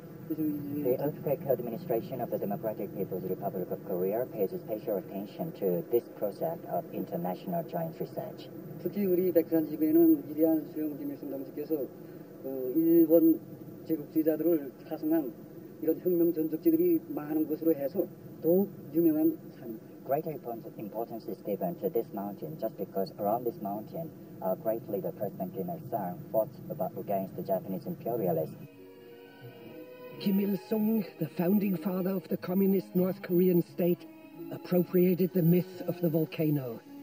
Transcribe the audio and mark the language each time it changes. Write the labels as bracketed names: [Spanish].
[English] The Earthquake Administration of the Democratic People's Republic of Korea pays special attention to this project of international joint research. [Korean] 특히 우리 백산 지구에는 위대한 수용 김일성 동지께서 일본 제국주의자들을 타성한 이런 혁명 전적지들이 많은 것으로 해서 더욱 유명한 산입니다. [English] Greater importance is given to this mountain just because around this mountain, our great leader President Kim Il-sung fought against the Japanese imperialists. Kim Il-sung, the founding father of the communist North Korean state, appropriated the myth of the volcano.